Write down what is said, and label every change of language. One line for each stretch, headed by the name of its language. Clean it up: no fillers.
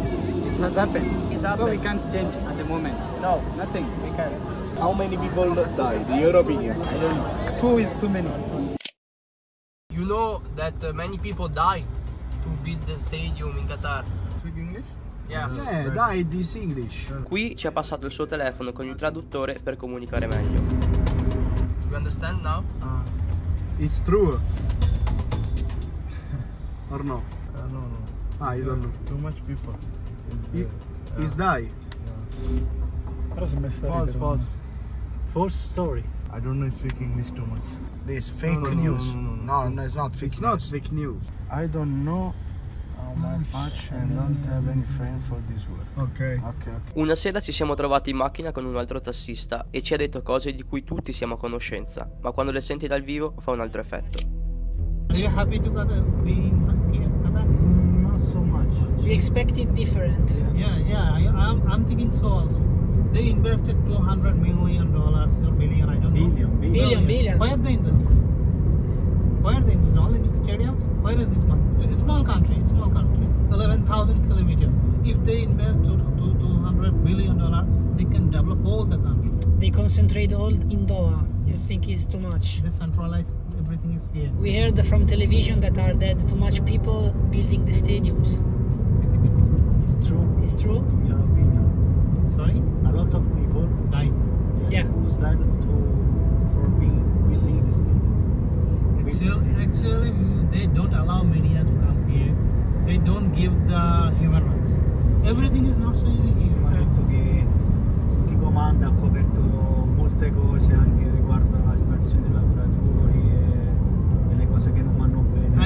English: It has happened. So we can't change at the moment. No, nothing. We can't. How many people died, in your opinion? I don't know. Two is too many. You know that many people died to build the stadium in Qatar. Speak English? Yes. Yeah, died is English.
Italian: Qui ci ha passato il suo telefono con il traduttore per comunicare meglio.
English: You understand now? It's true. Or no? No. I don't know. Too much people. Is die. False story. I don't know if speak English too much. This fake news. No, it's not fake. It's It's not fake news. I don't know how much and don't have any friends for this world. Okay.
Italian: Una sera ci siamo trovati in macchina con un altro tassista e ci ha detto cose di cui tutti siamo a conoscenza, ma quando le senti dal vivo fa un altro effetto.
English: Are you happy to be We expected different. I'm thinking so also. They invested $200 million or billion, I don't know. Billion. Where they invested? Only in stadiums? Where is this money? It's a small country. 11,000 kilometers. If they invest $200 billion, they can develop all the country. They concentrate all in Doha. You think it's too much? They centralize everything is here. We heard from television that are dead too much people building the stadiums. It's true. In your opinion. Sorry? A lot of people died. Yes. Who's died for building the stadium. Actually, they don't allow media to come here. They don't give the human rights. Everything is not so easy here.
Italian: Ma detto che chi comanda ha coperto molte cose anche riguardo alla situazione dei lavoratori e delle cose che non vanno bene.